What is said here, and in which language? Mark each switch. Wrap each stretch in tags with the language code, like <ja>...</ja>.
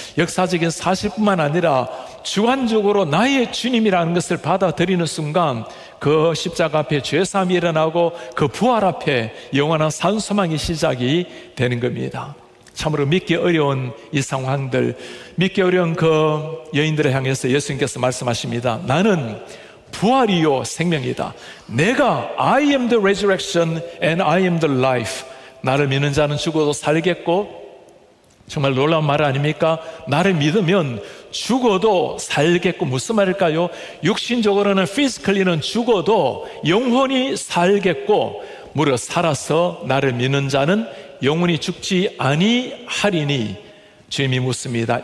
<ko>역사적인 사실뿐만 아니라 주관적으로 나의 주님이라는 것을 받아들이는 순간 그 십자가 앞에 죄사함이 일어나고 그 부활 앞에 영원한 산소망이 시작이 되는 겁니다. 참으로 믿기 어려운 이 상황들, 믿기 어려운 그 여인들을 향해서 예수님께서 말씀하십니다. 나는 부활이요 생명이다. 내가</ko> <en>I am the resurrection and I am the life.</en> <ko>나를 믿는 자는 죽어도 살겠고, 정말 놀라운 말 아닙니까? 나를 믿으면 죽어도 살겠고, 무슨 말일까요? 육신적으로는, physically는 죽어도 영혼이 살겠고, 무려 살아서 나를 믿는 자는 영혼이 죽지 아니하리니, 주님이 묻습니다.</ko>